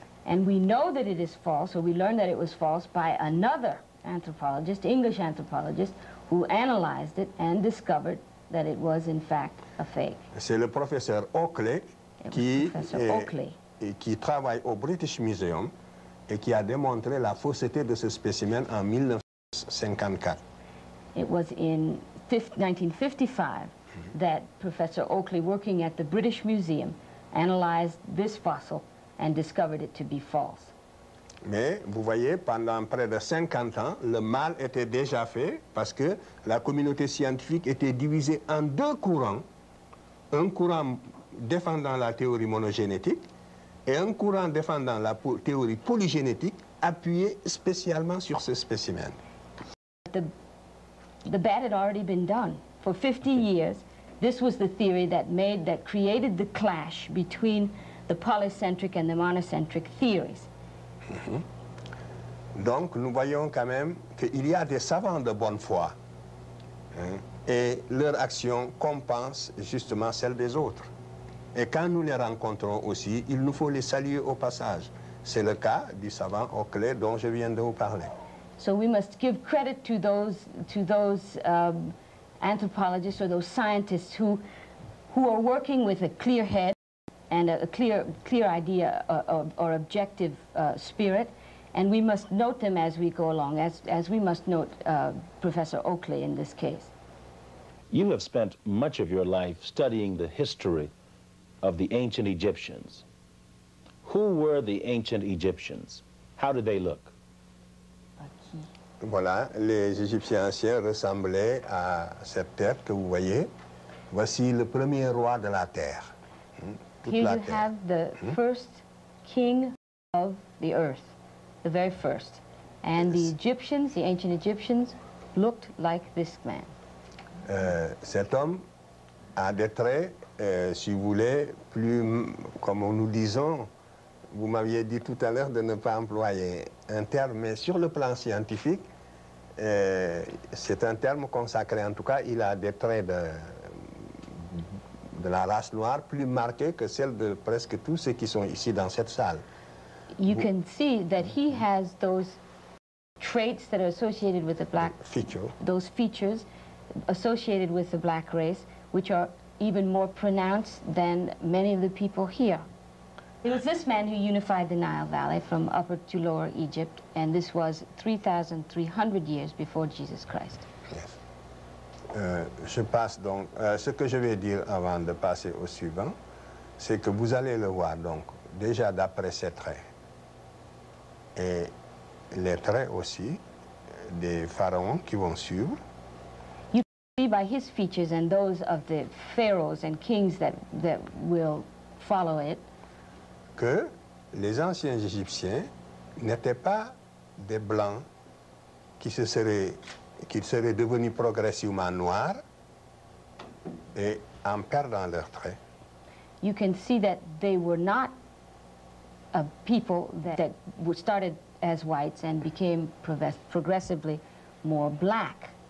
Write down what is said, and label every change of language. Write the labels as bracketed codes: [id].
[en] And we know that it is false, or we learned that it was false by another anthropologist, English anthropologist, who analyzed it and discovered that it was in fact a fake. [fr] C'est le professeur Oakley qui travaille au British Museum et qui a démontré la fausseté de ce spécimen en 1954. [en] It was in 1955 that Professor Oakley, working at the British Museum, analyzed this fossil and discovered it to be false. [fr] Mais vous voyez, pendant près de 50 ans, le mal était déjà fait parce que la communauté scientifique était divisée en deux courants. Un courant défendant la théorie monogénétique et un courant défendant la théorie polygénétique appuyé spécialement sur ce spécimen. [en] The bad had already been done. For 50 years, this was the theory that created the clash between the polycentric and the monocentric theories. [fr] Donc, nous voyons quand même qu'il y a des savants de bonne foi, et leur action compense justement celle des autres. Et quand nous les rencontrons aussi, il nous faut les saluer au passage. C'est le cas du savant Oakley dont je viens de vous parler. [en] So we must give credit to those anthropologists or those scientists who are working with a clear head and a clear idea or objective spirit, and we must note them as we go along, as we must note Professor Oakley in this case. You have spent much of your life studying the history of the ancient Egyptians. Who were the ancient Egyptians? How did they look? [fr] Voilà, les Égyptiens anciens ressemblaient à cette terre que vous voyez. Voici le premier roi de la terre. [en] Here you have the first king of the earth, the very first. And the Egyptians, the ancient Egyptians, looked like this man. [fr] Cet homme a des traits, si vous voulez, plus, comme nous disons, vous m'aviez dit tout à l'heure de ne pas employer un terme, mais sur le plan scientifique, c'est un terme consacré. En tout cas, il a des traits de la race noire plus marqués que celle de presque tous ceux qui sont ici dans cette salle. [en] You can see that he has those traits that are associated with the black feature. Those features associated with the black race, which are even more pronounced than many of the people here. It was this man who unified the Nile Valley from Upper to Lower Egypt, and this was 3,300 years before Jesus Christ. Yes. [fr] Je passe donc. Ce que je vais dire avant de passer au suivant, c'est que vous allez le voir donc déjà d'après ses traits et les traits aussi des pharaons qui vont suivre. [en] You see by his features and those of the pharaohs and kings that will follow it. [fr] Que les anciens Égyptiens n'étaient pas des blancs qui seraient devenus progressivement noirs et en perdant leurs traits. [en] You can see that they were not a people that started as whites and became progressively more black.